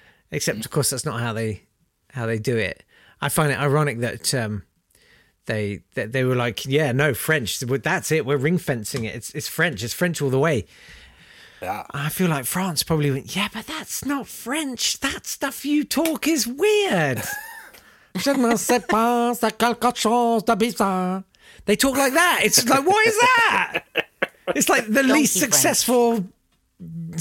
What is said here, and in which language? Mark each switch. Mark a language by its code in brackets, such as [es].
[en] Except, of course, that's not how they do it. I find it ironic that they were like, yeah, no, French. That's it. We're ring fencing it. It's French. It's French all the way. I feel like France probably went, yeah, but that's not French. That stuff you talk is weird. [fr] Je ne sais pas, c'est quelque chose de bizarre. [en] They talk like that. It's like, what is that? It's like the donkey least successful French.